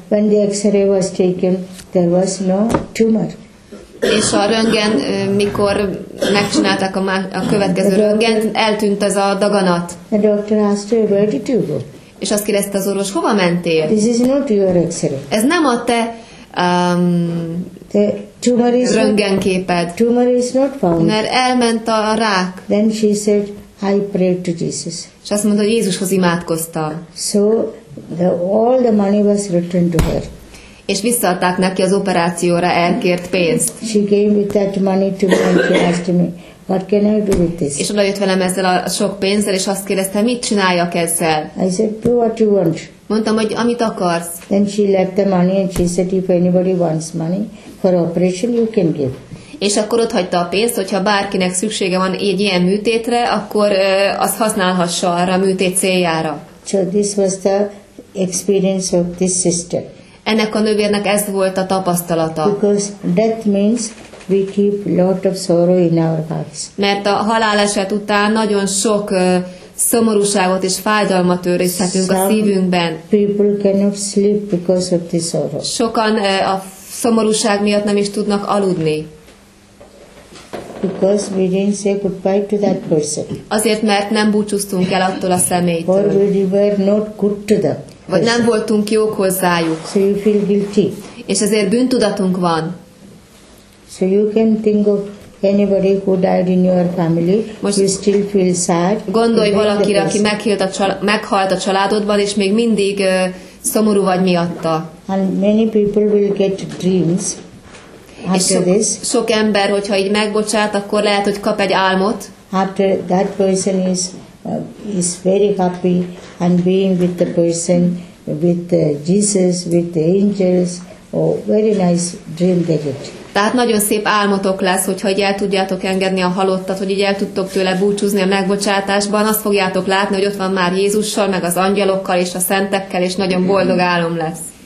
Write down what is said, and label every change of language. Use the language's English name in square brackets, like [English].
[English] When the x-ray was taken, there was no tumor. [Hungarian] És a röntgen, mikor megcsinálták a következő röntgen, eltűnt ez a daganat. [English] The doctor asked her, where did you go? [Hungarian] És azt kérdezte az orvos, hova mentél? [English] This is not your x-ray. [Hungarian] Ez nem a te röntgen képed. [English] Tumor is not found. [Hungarian] Mert elment a rák. [English] Then she said, I prayed to Jesus. [Hungarian] És azt mondta, hogy Jézushoz imádkoztam. [English] So all the money was returned to her. [Hungarian] És visszaadták neki az operációra elkért pénzt. [English] She gave me that money to me and she asked me, what can I do with this? [Hungarian] És oda jött velem ezzel a sok pénzzel, és azt kérdezte, mit csináljak ezzel? [English] I said, do what you want. [Hungarian] Mondtam, hogy amit akarsz. [English] Then she left the money and she said, if anybody wants money for operation, you can give. [Hungarian] És akkor ott hagyta a pénzt, hogyha bárkinek szüksége van egy ilyen műtétre, akkor az használhassa arra a műtét céljára. [English] So this was the experience of this sister. [Hungarian] Ennek a nővérnek ez volt a tapasztalata. [English] Because death means we keep lot of sorrow in our hearts. [Hungarian] Mert a haláleset után nagyon sok szomorúságot és fájdalmat őrizhetünk a szívünkben. [English] People cannot sleep because of this sorrow. [Hungarian] Sokan a szomorúság miatt nem is tudnak aludni. [English] Because we didn't say goodbye to that person. [Hungarian] Azért, mert nem búcsúztunk el attól a személytől. [English] Or we were not good to them. [Hungarian] Vagy nem voltunk jók hozzájuk. [English] So you feel guilty. [Hungarian] És ezért bűntudatunk van. [English] So you can think of anybody who died in your family, most you still feel sad. [Hungarian] Gondolj valakire, aki meghalt a családodban, és még mindig szomorú vagy miatta. [English] And many people will get dreams. [Hungarian] És sok ember, hogyha így megbocsát, akkor lehet, hogy kap egy álmot. [English] After that person is very happy and being with the person, with Jesus, with the angels, very nice dream they get. [Hungarian] Tehát nagyon szép álmotok lesz, hogyha így el tudjátok engedni a halottat, hogy így el tudtok tőle búcsúzni a megbocsátásban, azt fogjátok látni, hogy ott van már Jézussal, meg az angyalokkal és a szentekkel, és nagyon boldog álom lesz.